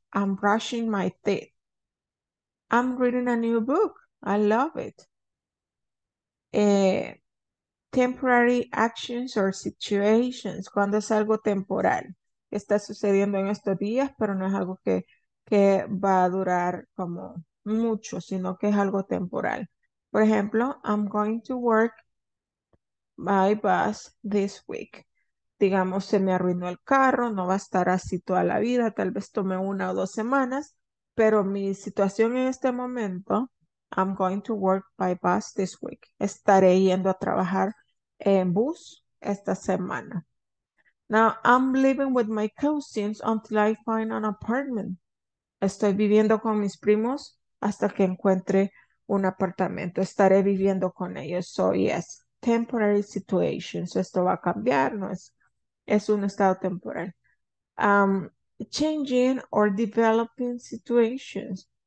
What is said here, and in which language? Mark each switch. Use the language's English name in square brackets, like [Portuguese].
[English] I'm brushing my teeth. I'm reading a new book. I love it. Temporary actions or situations. [Spanish] Cuando es algo temporal. Está sucediendo en estos días, pero no es algo que va a durar como mucho, sino que es algo temporal. Por ejemplo, [English] I'm going to work by bus this week. [Spanish] Digamos, se me arruinó el carro, no va a estar así toda la vida, tal vez tome una o dos semanas, pero mi situación en este momento, [English] I'm going to work by bus this week. [Spanish] Estaré yendo a trabajar en bus esta semana. [English] Now, I'm living with my cousins until I find an apartment. [Spanish] Estoy viviendo con mis primos hasta que encuentre un apartamento. Estaré viviendo con ellos. [English] So, yes, temporary situations. [Spanish] Esto va a cambiar. No es, es un estado temporal. [English] Changing or developing situations.